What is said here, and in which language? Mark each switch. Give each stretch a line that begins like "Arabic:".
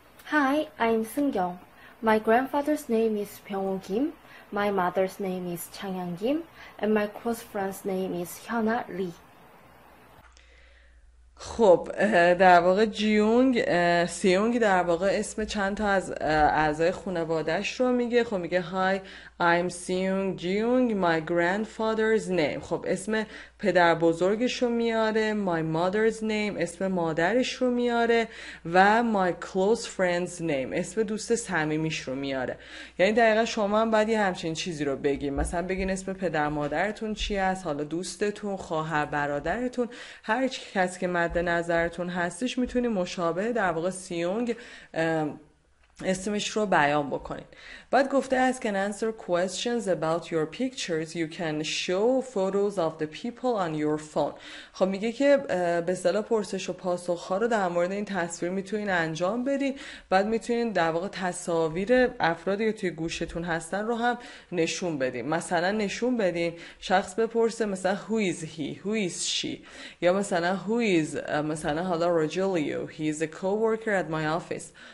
English: Hi, I'm Seungyeong. My grandfather's name is Pyeongwon Kim. My mother's name is Changhyun Kim. And my close friend's name is Hyuna Lee.
Persian: خب در واقع جیونگ سیونگ در واقع اسم چند تا از اعضای خانوادهش رو میگه. خب میگه
English: Hi, I'm Seung Jiung, my grandfather's name.
Persian: خب اسم پدر بزرگش رو میاره.
English: My mother's name,
Persian: اسم مادرش رو میاره. و
English: my close friend's name,
Persian: اسم دوست صمیمیش رو میاره. یعنی دقیقا شما هم باید یه همچین چیزی رو بگیم. مثلا بگین اسم پدر مادرتون چی هست، حالا دوستتون، خواهر برادرتون، هر کسی که مد نظرتون هستش میتونی مشابه در واقع سیونگ اسمش رو بیان بکنید. بعد گفته
English: ask and answer questions about your pictures. You can show photos of the people on your phone.
Persian: خب میگه که به اصطلاح پرسش و پاسخ ها رو در مورد این تصویر میتونین انجام بدین. بعد میتونین در واقع تصاویر افرادی که توی گوشتون هستن رو هم نشون بدین. مثلا نشون بدین شخص بپرسه مثلا
English: who is he, who is she, یا مثلا who is مثلا حالا Rogelio, he is a co-worker at my office.